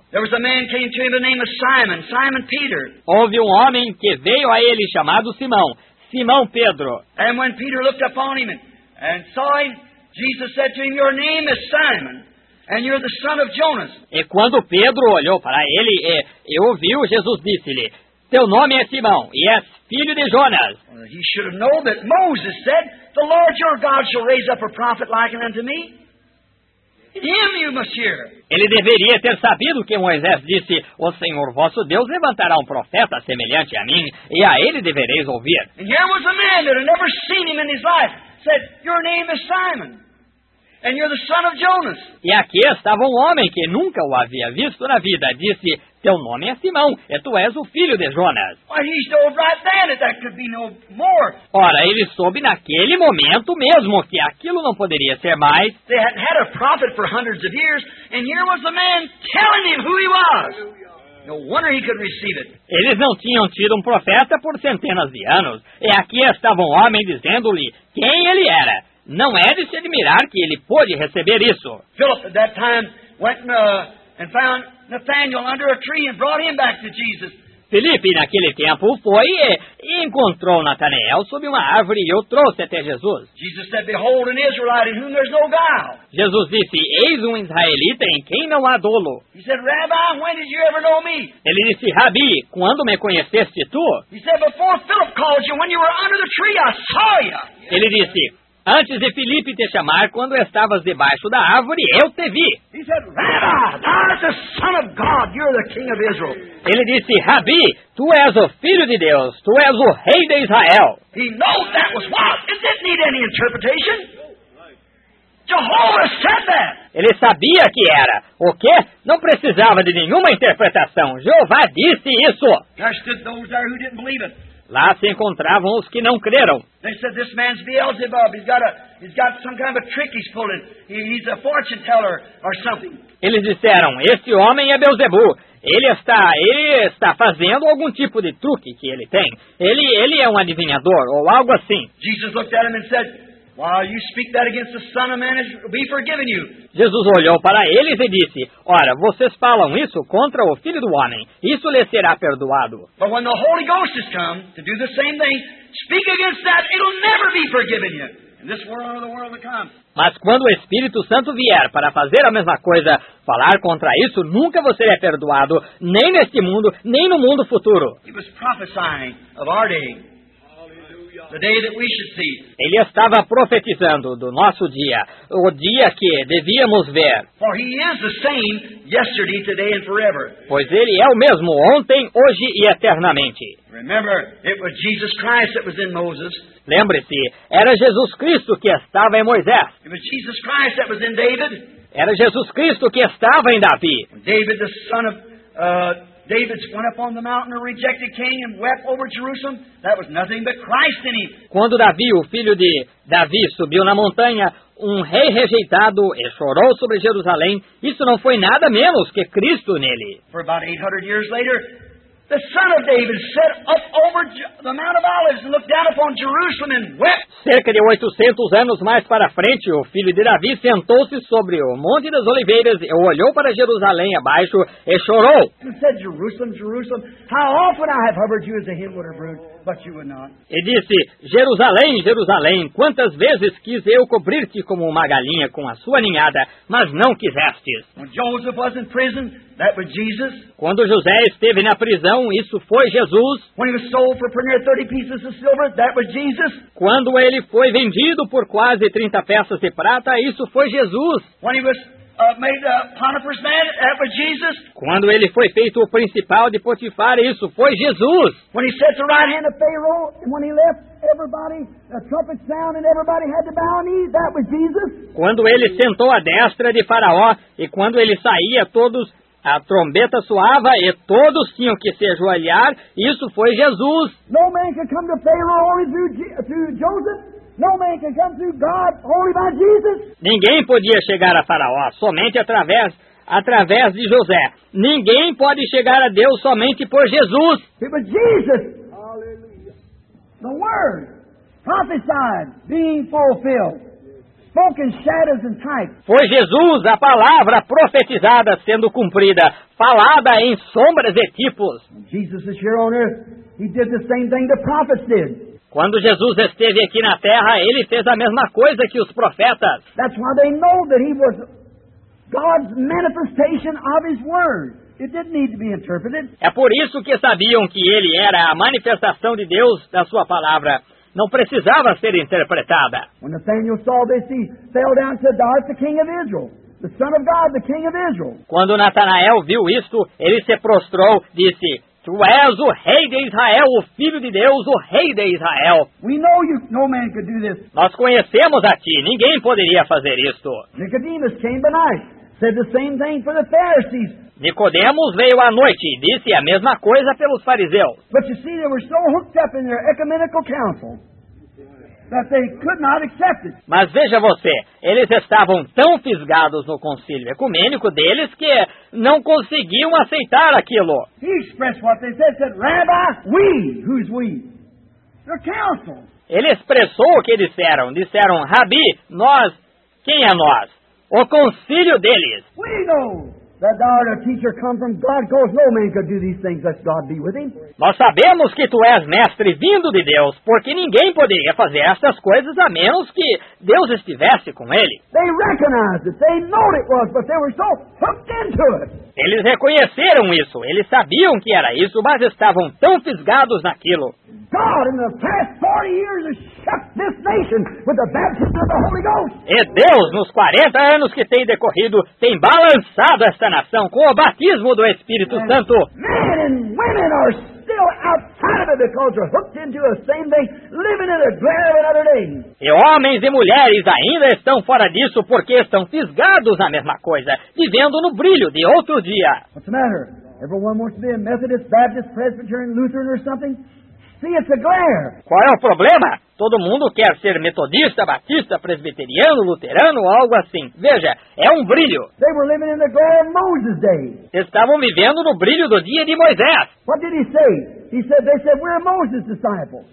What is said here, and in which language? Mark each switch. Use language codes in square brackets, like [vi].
[en] There was a man came to him by the name of Simon, Simon Peter. [pt] Houve um homem que veio a ele chamado Simão, Simão Pedro. [en] And when Peter looked upon him and saw him, Jesus said to him, "Your name is Simon." And you're the son of Jonas. [pt] E quando Pedro olhou para ele e ouviu, Jesus disse-lhe, teu nome é Simão e és filho de Jonas. [en] He should have known that Moses said, the Lord your God shall raise up a prophet like unto me. Him you must hear. [pt] Ele deveria ter sabido que Moisés disse, o Senhor vosso Deus levantará um profeta semelhante a mim e a ele devereis ouvir. [en] And here was a man that had never seen him in his life, said, your name is Simon. And you're the son of Jonas. [pt] E aqui estava um homem que nunca o havia visto na vida. Disse, teu nome é Simão, e tu és o filho de Jonas. [en] Well, he knew right then that there could be no more. [pt] Ora, ele soube naquele momento mesmo que aquilo não poderia ser mais. [en] They hadn't had a prophet for hundreds of years, and here was the man telling him who he was. No wonder he could receive it. [pt] Eles não tinham tido um profeta por centenas de anos. E aqui estava um homem dizendo-lhe quem ele era. Não é de se admirar que ele pôde receber isso. [en] Philip, at that time, went and found Nathanael under a tree and brought him back to Jesus. [pt] Felipe, naquele tempo, foi e encontrou Nathanael sob uma árvore e o trouxe até Jesus. [en] Jesus said, "Behold, an Israelite in whom there's no guile." [pt] Jesus disse, "Eis israelita em quem não há dolo." [en] He said, "Rabbi, when did you ever know me?" [pt] Ele disse, "Rabi, quando me conheceste tu?" [en] He said, "Before Philip called you, when you were under the tree, I saw you." [pt] Ele disse, antes de Felipe te chamar, quando estavas debaixo da árvore, eu te vi. [en] He said, "Rabbi, thou art the son of God, you're the king of Israel." [pt] Ele disse, "Rabi, tu és o filho de Deus, tu és o rei de Israel." [en] He knows that was what? Does this need any interpretation? Jehovah said that. [pt] Ele sabia que era. O quê? Não precisava de nenhuma interpretação. Jeová disse isso. [en] Just stood those there who didn't believe it. [pt] Lá se encontravam os que não creram. [en] They said this man's Beelzebub. He's got some kind of a trick he's pulling. He's a fortune teller or something. [pt] Eles disseram: este homem é Beelzebu. Ele está fazendo algum tipo de truque que ele tem. Ele é um adivinhador ou algo assim. [en] Jesus looked at him and said, while you speak that against the Son of Man, be forgiven you. [pt] Jesus olhou para eles e disse: ora, vocês falam isso contra o Filho do Homem, isso lhe será perdoado. [en] But when the Holy Ghost has come to do the same thing, speak against that, it'll never be forgiven you. In this world or the world to come. [pt] Mas quando o Espírito Santo vier para fazer a mesma coisa, falar contra isso, nunca você é perdoado, nem neste mundo, nem no mundo futuro. [en] He was prophesying of our day. The day that we should see. [pt] Ele estava profetizando do nosso dia, o dia que devíamos ver. [en] For he is the same yesterday, today, and forever. [pt] Pois ele é o mesmo ontem, hoje e eternamente. [en] Remember, it was Jesus Christ that was in Moses. [pt] Lembre-se, era Jesus Cristo que estava em Moisés. [en] It was Jesus Christ that was in David. [pt] Era Jesus Cristo que estava em Davi. [en] David, the son of David went up on the mountain, a rejected king, and wept over Jerusalem. That was nothing but Christ in him. [pt] Quando Davi, o filho de Davi, subiu na montanha, um rei rejeitado, e chorou sobre Jerusalém, isso não foi nada menos que Cristo nele. [en] For about 800 years later, the son of David sat up over the Mount of Olives and looked down upon Jerusalem and wept. [pt] Cerca de 800 anos mais para frente, o filho de Davi sentou-se sobre o Monte das Oliveiras e olhou para Jerusalém abaixo e chorou. [en] And said, Jerusalem, Jerusalem, how often I have hovered you as a hen with her brood, but you would not. [pt] E disse, Jerusalém, Jerusalém, quantas vezes quis eu cobrir-te como uma galinha com a sua ninhada, mas não quisestes. [en] When Joseph was in prison, that was Jesus. [pt] Quando José esteve na prisão, isso foi Jesus. [en] When he was sold for 30 pieces of silver, that was Jesus. [pt] Quando ele foi vendido por quase 30 peças de prata, isso foi Jesus. [en] When he was made Potiphar's man, that was Jesus. [pt] Quando ele foi feito o principal de Potifar, isso foi Jesus. [en] When he sat the right hand of Pharaoh, and when he left, everybody, the trumpet sound, and everybody had to bow knees, that was Jesus. [pt] Quando ele sentou à destra de Faraó, e quando ele saía, todos a trombeta soava e todos tinham que se ajoelhar, isso foi Jesus. [en] No man can come to Pharaoh only through Joseph. No man can come through God only by Jesus. [pt] Ninguém podia chegar a Faraó somente através de José. Ninguém pode chegar a Deus somente por Jesus. [en] It was Jesus. Hallelujah. The word prophesied being fulfilled. Spoken shadows and types. [pt] Foi Jesus, a palavra profetizada sendo cumprida, falada em sombras e tipos. [en] Jesus is here on earth. He did the same thing the prophets did. [pt] Quando Jesus esteve aqui na terra, ele fez a mesma coisa que os profetas. [en] That's why they know that he was God's manifestation of his word. It didn't need to be interpreted. [pt] É por isso que sabiam que ele era a manifestação de Deus da sua palavra. Não precisava ser interpretada. [en] When Nathanael saw this, he fell down to die as the king of Israel. The son of God, the king of Israel. [pt] Quando Natanael viu isto, ele se prostrou, disse, tu és o rei de Israel, o filho de Deus, o rei de Israel. [en] We know you, no man could do this. [pt] Nós conhecemos a ti, ninguém poderia fazer isto. [en] Nicodemus came by night, said the same thing for the Pharisees. [pt] Nicodemos veio à noite e disse a mesma coisa pelos fariseus. [en] But you see, they were so hooked up in their ecumenical council that they could not accept it. [pt] Mas veja você, eles estavam tão fisgados no concílio ecumênico deles que não conseguiam aceitar aquilo. [en] He expressed what they said, said, Rabbi, we, who's we? The council. [pt] Ele expressou o que disseram. Disseram, Rabi, nós, quem é nós? O concílio deles. [en] We know. That thou art a teacher come from God, because no man could do these things unless God be with him. [pt] Nós sabemos que tu és mestre vindo de Deus, porque ninguém poderia fazer estas coisas a menos que Deus estivesse com ele. [en] They recognized it, they knew it was, but they were so hooked into it. [pt] Eles reconheceram isso, eles sabiam que era isso, mas estavam tão fisgados naquilo. [en] God in the past 40 years has shook this nation with the baptism of the Holy Ghost. [pt] E Deus, nos 40 anos que tem decorrido, tem balançado esta nação com o batismo do Espírito Santo. [en] Men and women are still outside of nada, because you're hooked into a same thing, living in the glare of another thing. [pt] E homens e mulheres ainda estão fora disso porque estão fisgados na mesma coisa, vivendo no brilho de outro dia. [en] What's the matter? Everyone wants to be a Methodist, Baptist, Presbyterian, Lutheran or something? See, it's a glare. [pt] Qual é o problema? Todo mundo quer ser metodista, batista, presbiteriano, luterano ou algo assim. Veja, é um brilho. [en] They were living in the glare of Moses' day. [pt] Estavam vivendo no brilho do dia de Moisés. [en] What did he say? He said, they said, we're Moses' disciples.